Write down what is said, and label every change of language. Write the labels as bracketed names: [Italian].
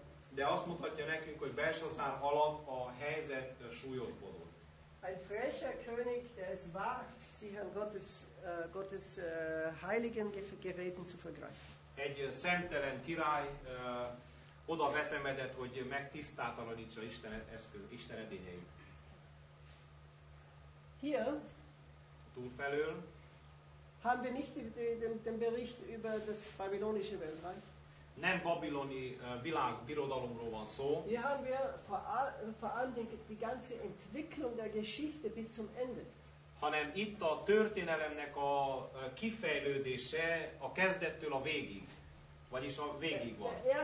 [Hungarian] De azt mutatja nekünk, hogy Belsazár alatt a helyzet súlyosbodott. [German] Ein frecher König, der es wagt, sich an Gottes heiligen Geräten zu vergreifen. [Hungarian] Egy szemtelen király oda vetemedett, hogy megtisztátalanítsa Isten edényeit. [German] Hier [Hungarian] túlfelől [German] haben wir nicht den Bericht über das babylonische Weltreich. [Hungarian] Nem babiloni világbirodalomról van szó. [German] Hier haben wir vor allem die ganze Entwicklung der Geschichte bis zum Ende. [Hungarian] hanem itt a történelemnek a kifejlődése a kezdettől a végig, vagyis a végig van.